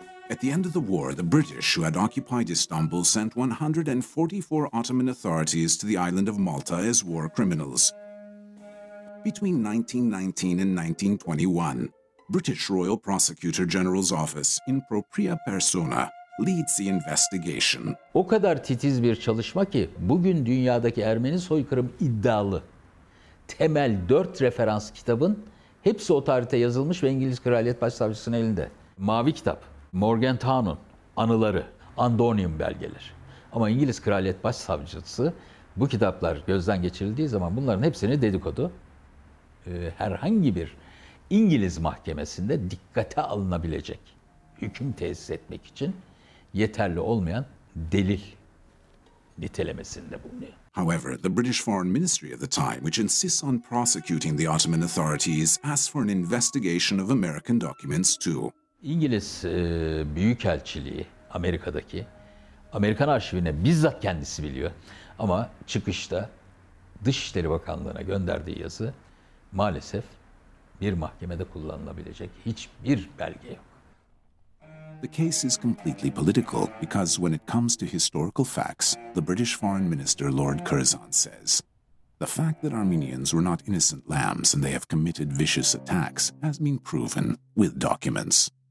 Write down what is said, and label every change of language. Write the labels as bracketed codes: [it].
[en] At the end of the war, the British, who had occupied Istanbul, sent 144 Ottoman authorities to the island of Malta as war criminals. Between 1919 and 1921, British Royal Prosecutor General's Office in propria persona leads the investigation. [tr] O kadar titiz bir çalışma ki bugün dünyadaki Ermeni soykırım iddialı temel 4 referans kitabın hepsi o tarihte yazılmış ve İngiliz Kraliyet Başsavcısının elinde. Mavi kitap, Morgenthau'nun anıları, Andonium belgeler. Ama İngiliz Kraliyet Başsavcısı bu kitaplar gözden geçirildiği zaman bunların hepsini dedikodu. Herhangi bir İngiliz mahkemesinde dikkate alınabilecek hüküm tesis etmek için yeterli olmayan delil nitelemesinde bulunuyor. [en] However, the British Foreign Ministry at the time, which insists on prosecuting the Ottoman authorities, asks for an investigation of American documents too. [tr] İngiliz Büyükelçiliği Amerika'daki Amerikan arşivine bizzat kendisi biliyor. Ama çıkışta Dışişleri Bakanlığı'na gönderdiği yazı maalesef bir mahkemede kullanılabilecek hiçbir belge yok. [en] The case is completely political because when it comes to historical facts, the British Foreign Minister Lord Curzon says, "The fact that Armenians were not innocent lambs and they have committed vicious attacks has been proven with documents."